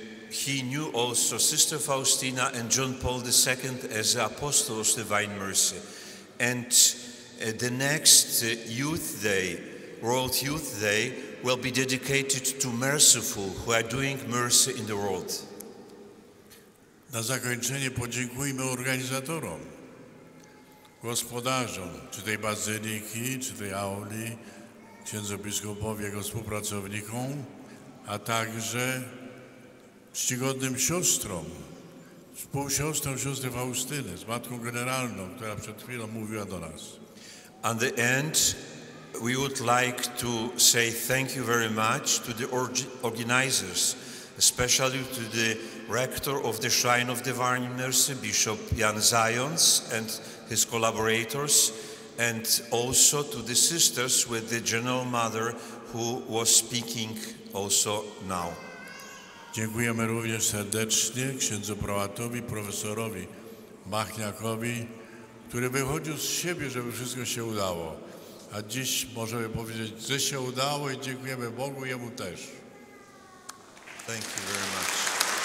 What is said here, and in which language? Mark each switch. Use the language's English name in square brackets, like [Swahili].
[English] He knew also Sister Faustina and John Paul II as Apostles of Divine Mercy. And the next Youth Day, World Youth Day, will be dedicated to merciful who are doing mercy in the world. [Polish] Na zakończenie podziękujmy organizatorom, gospodarzom, czy tej bazyliki, czy tej auli, księdzu biskupowi, jego współpracownikom, a także czcigodnym siostrom, współsiostrom siostry Faustyny, z Matką Generalną, która przed chwilą mówiła do nas. [English] At the end, we would like to say thank you very much to the organizers, especially to the rector of the Shrine of Divine Mercy, Bishop Jan Zions, and his collaborators, and also to the sisters with the General Mother who was speaking also now. [Polish] Dziękujemy również serdecznie księdzu prałatowi, profesorowi Machniakowi, który wychodził z siebie, żeby wszystko się udało. A dziś możemy powiedzieć, że się udało i dziękujemy Bogu, jemu też. [English] Thank you very much.